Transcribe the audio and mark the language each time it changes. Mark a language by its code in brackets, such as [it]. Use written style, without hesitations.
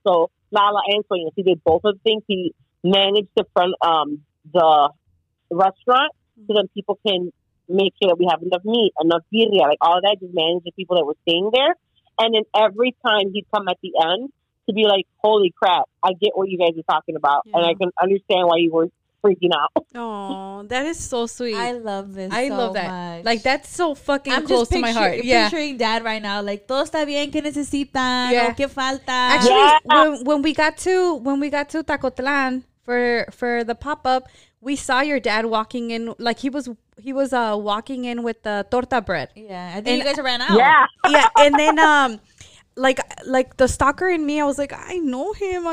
[en] So Lala and Sueños, he did both of the things. He managed the front, the restaurant, so then people can make sure that we have enough meat, enough birria, like all that, just manage the people that were staying there. And then every time he'd come at the end to be like, holy crap, I get what you guys are talking about. Yeah. And I can understand why you were freaking out. Oh, that is so sweet. I love this. I love that. Like, that's so fucking close to my heart. I'm picturing dad right now. [es] Like, todo está bien, que necesitan, que falta. [en] Actually, when we got to Tacotlán for the pop-up, we saw your dad walking in, like he was walking in with the torta bread. Yeah, I think, and you guys ran out. Yeah, and then like the stalker in me, I was like, I know him.